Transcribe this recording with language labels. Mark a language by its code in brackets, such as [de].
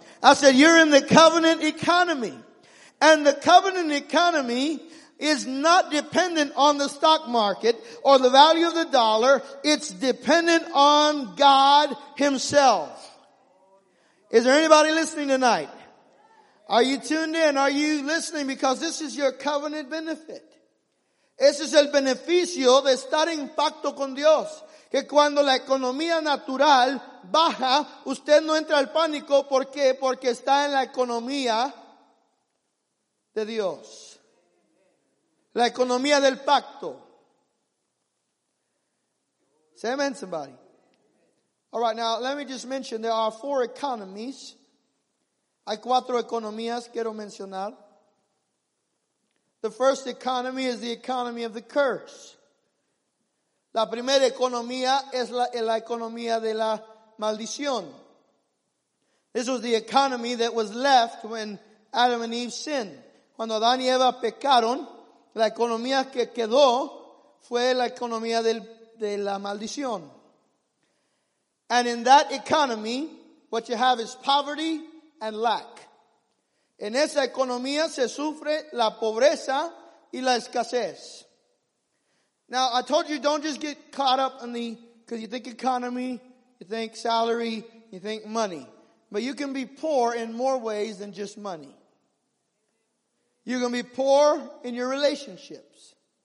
[en] I said, you're in the covenant economy. And the covenant economy is not dependent on the stock market or the value of the dollar. It's dependent on God himself. Is there anybody listening tonight? Are you tuned in? Are you listening? Because this is your covenant benefit. [es] Ese es el beneficio de estar en pacto con Dios. Que cuando la economía natural baja, usted no entra al pánico. ¿Por qué? Porque está en la economía de Dios. La economía del pacto. [en] Say amen, somebody. All right, now let me just mention there are four economies. [es] Hay cuatro economías quiero mencionar. [en] The first economy is the economy of the curse. [es] La primera economía es la economía de la maldición. [en] This was the economy that was left when Adam and Eve sinned. [es] Cuando Adán y Eva pecaron, la economía que quedó fue la economía de la maldición. [en] And in that economy, what you have is poverty and lack. [es] En esa economía se sufre la pobreza y la escasez. [en] Now, I told you, don't just get caught up in the, because you think economy, you think salary, you think money. But you can be poor in more ways than just money. You can be poor in your relationships.